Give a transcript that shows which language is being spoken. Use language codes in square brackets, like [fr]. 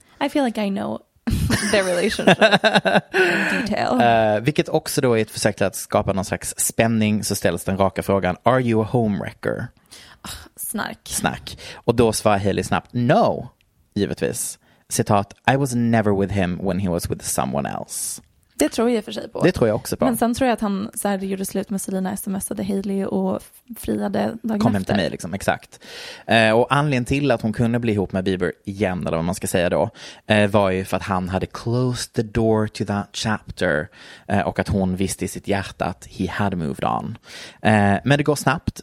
[en] I feel like I know their relationship in detail. [sv] Vilket också då är ett försök att skapa någon slags spänning, så ställs den raka frågan, [en] are you a homewrecker? Oh, snark. [sv] Snark. Och då svarar Hailey snabbt, [en] no, [sv] givetvis. [en] Citat, I was never with him when he was with someone else. [sv] Det tror jag för sig på. Det tror jag också på. Men sen tror jag att han så här, gjorde slut med Selena, smsade Hailey och friade dagen efter. Hem till mig, liksom, exakt. Och anledningen till att hon kunde bli ihop med Bieber igen, eller vad man ska säga då, var ju för att han hade [en] closed the door to that chapter [sv] och att hon visste i sitt hjärta att [en] he had moved on. [sv] Men det går snabbt.